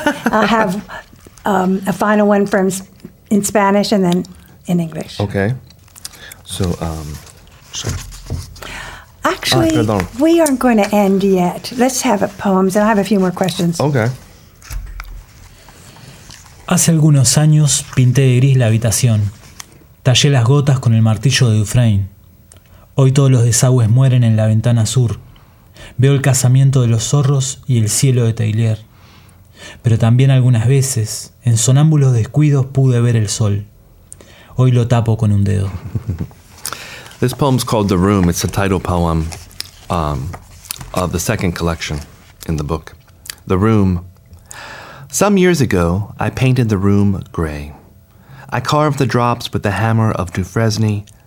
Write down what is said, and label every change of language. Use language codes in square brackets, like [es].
[en] I have a final one in Spanish and then in English. Okay. So Actually, we aren't going to end yet. Let's have poems, and I have a few more questions. Okay. [es] Hace algunos años pinté de gris la habitación. Tallé las gotas con el martillo de Dufresne. Hoy todos los desagües mueren en la ventana sur. Veo el casamiento de los zorros y el cielo de Taillier. Pero también algunas veces, en sonámbulos descuidos, pude ver el sol. Hoy lo tapo con un dedo. [en] This poem's called The Room. It's a title poem of the second collection in the book. The Room. Some years ago, I painted the room gray. I carved the drops with the hammer of Dufresne.